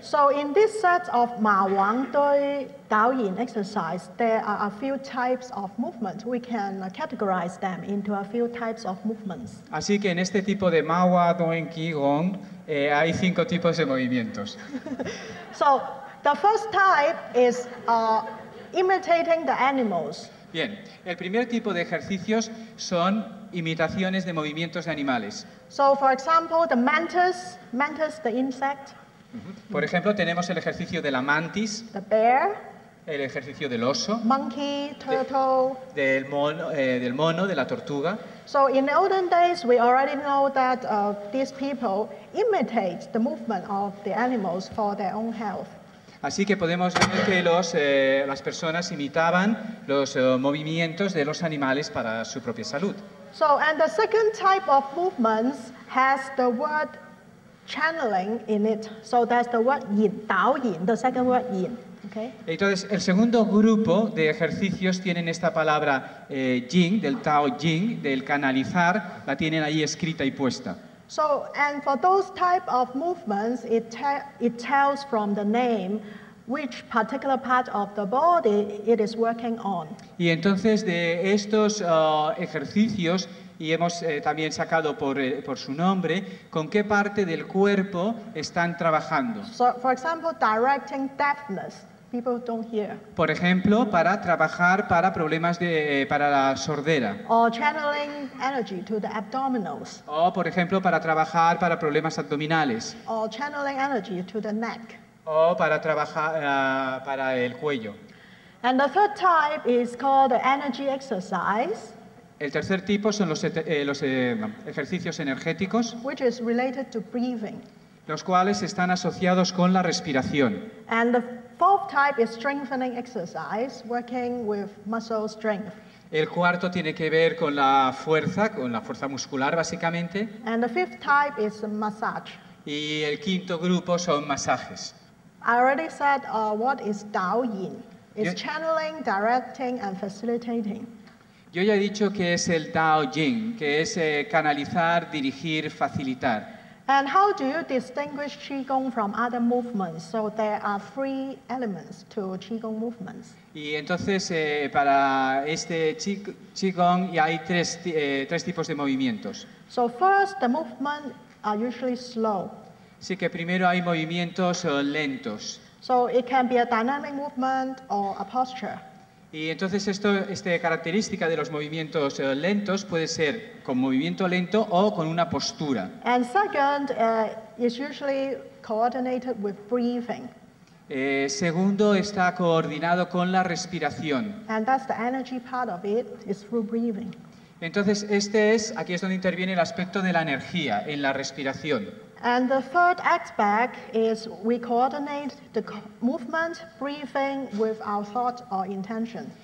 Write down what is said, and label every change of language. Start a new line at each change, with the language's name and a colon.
English: So in this set of Ma Wang Dui Daoyin exercise, there are a few types of movements. We can categorize them into a few types of movements.
Spanish: Así que en este tipo de Ma Wang Dui Qigong hay 5 tipos de movimientos.
English: So the first type is imitating the animals.
Spanish: Bien, el primer tipo de ejercicios son imitaciones de movimientos de animales.
English: So, for example, the mantis, the insect.
Spanish: Por ejemplo, tenemos el ejercicio de la mantis.
English: The bear.
Spanish: El ejercicio del oso.
English: Monkey, turtle.
Spanish: Del mono, de la tortuga.
English: So, in the olden days, we already know that these people imitate the movement of the animals for their own health.
Spanish: Así que podemos ver que las personas imitaban los movimientos de los animales para su propia salud.
English: So, and the second type of movements has the word channeling in it. So that's the word yin, dao yin, the second word yin. Okay.
Spanish: Entonces, el segundo grupo de ejercicios tienen esta palabra yin, del tao yin, del canalizar, la tienen ahí escrita y puesta.
English: So, and for those type of movements, it tells from the name which particular part of the body it is working on.
Spanish: Y entonces de estos ejercicios, y hemos también sacado por su nombre, ¿con qué parte del cuerpo están trabajando?
English: So, for example, directing deafness. People don't hear.
Spanish: Por ejemplo, para trabajar para problemas para la sordera.
English: Or channeling energy to the abdominals.
Spanish: O, por ejemplo, para trabajar para problemas abdominales.
English: Or channeling energy to the neck.
Spanish: O para trabajar para el cuello.
English: And the third type is called the energy exercise.
Spanish: El tercer tipo son los ejercicios energéticos.
English: Which is related to breathing.
Spanish: Los cuales están asociados con la respiración.
English: And the fourth type is strengthening exercise, working with muscle strength.
Spanish: El cuarto tiene que ver con la fuerza muscular, básicamente.
English: And the fifth type is massage.
Spanish: Y el quinto grupo son masajes.
English: I already said what is Dao Yin. It's channeling, directing, and facilitating.
Spanish: Yo ya he dicho que es el Dao Yin, que es canalizar, dirigir, facilitar.
English: And how do you distinguish Qigong from other movements? So there are 3 elements to Qigong movements.
Spanish: Y entonces para este Qigong ya hay 3 tipos de movimientos.
English: So first, the movements are usually slow.
Spanish: Sí, que primero hay movimientos lentos.
English: So it can be a dynamic movement or a posture.
Spanish: Y entonces esta característica de los movimientos lentos puede ser con movimiento lento o con una postura.
English: And second, it's usually coordinated with breathing.
Spanish: Segundo, está coordinado con la respiración.
English: And that's the energy part of it, is through breathing.
Spanish: Entonces, aquí es donde interviene el aspecto de la energía, en la respiración.
English: And the third aspect is we coordinate the movement, breathing with our thought or intention.